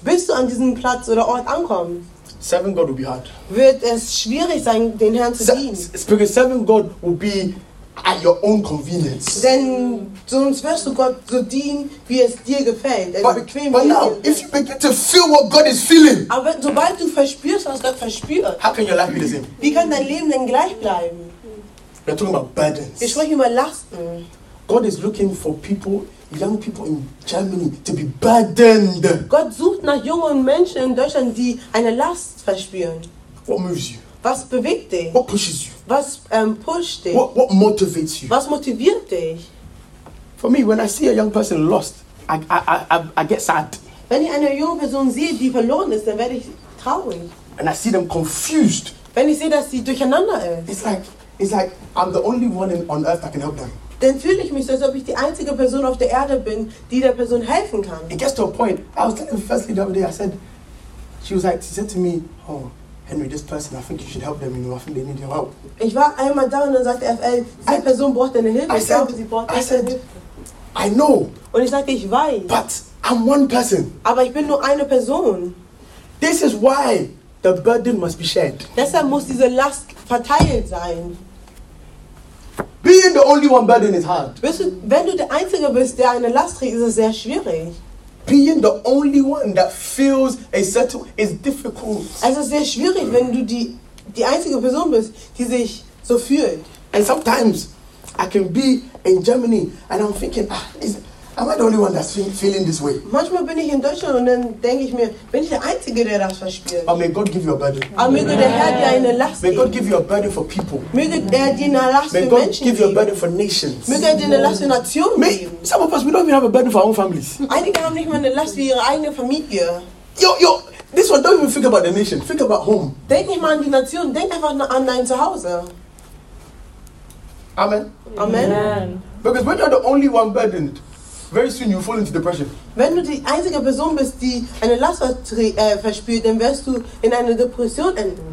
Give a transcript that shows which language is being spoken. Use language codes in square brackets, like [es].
[de] Bis du an diesem Platz oder Ort ankommst. [en] Serving God will be hard. [de] Wird es schwierig sein, den Herrn zu dienen? [en] Because serving God will be at your own convenience. [de] Denn sonst wirst du Gott so dienen, wie es dir gefällt. [en] But now, if you begin to feel what God is feeling, [de] aber sobald du verspürst, was Gott verspürt, [en] how can your life be the same? [de] Wie kann dein Leben denn gleich bleiben? [en] We're talking about burdens. [de] Wir sprechen über Lasten. [en] God is looking for people. Young people in Germany to be burdened. [de] Gott sucht nach jungen Menschen in Deutschland, die eine Last verspüren. [en] What moves you? [de] Was bewegt dich? [en] What pushes you? [de] Was pusht dich? [en] What motivates you? [de] Was motiviert dich? [en] For me, when I see a young person lost, I get sad. [de] Wenn ich eine junge Person sehe, die verloren ist, dann werde ich traurig. [en] And I see them confused. [de] Wenn ich sehe, dass sie durcheinander ist. [en] It's like I'm the only one on earth that can help them. [de] Dann fühle ich mich so, als ob ich die einzige Person auf der Erde bin, die der Person helfen kann. [en] It gets to a point. I was telling the first lady the other day, I said, she said to me, oh, Henry, this person, I think you should help them, you know, I think they need your help. [de] Ich war einmal da und dann sagte FL, diese Person braucht deine Hilfe. [en] I know. [de] Und ich sagte, ich weiß. [en] But I'm one person. [de] Aber ich bin nur eine Person. [en] This is why the burden must be shared. [de] Deshalb muss diese Last verteilt sein. [en] Being the only one burden is hard. [de] Wenn du der Einzige bist, der eine Last trägt, ist es sehr schwierig. [en] Being the only one that feels a settle is difficult. [de] Es ist sehr schwierig, wenn du die einzige Person bist, die sich so fühlt. [en] And sometimes I can be in Germany and I'm thinking, am I the only one that's feeling this way? [de] Manchmal bin ich in Deutschland und dann denke ich mir, bin ich der Einzige, der das verspürt? [en] But may God give you a burden. [de] Aber möge der Herr dir eine Last geben. [en] May God give you a burden for people. [de] Möge er dir eine Last für Menschen geben. [en] May God give you a burden for nations. [de] Möge er dir eine Last für Nationen geben. [en] Some of us, we don't even have a burden for our own families. [de] Einige haben nicht mal eine Last für ihre eigene Familie. [en] Yo, this one, don't even think about the nation. Think about home. [de] Denk nicht mal an die Nation, denk einfach an dein Zuhause. [en] Amen. [de] Amen. [en] Because when you're the only one burdened, very soon you fall into depression. [de] Wenn du die einzige Person bist, die eine Last verspürt, dann wirst du in eine Depression enden.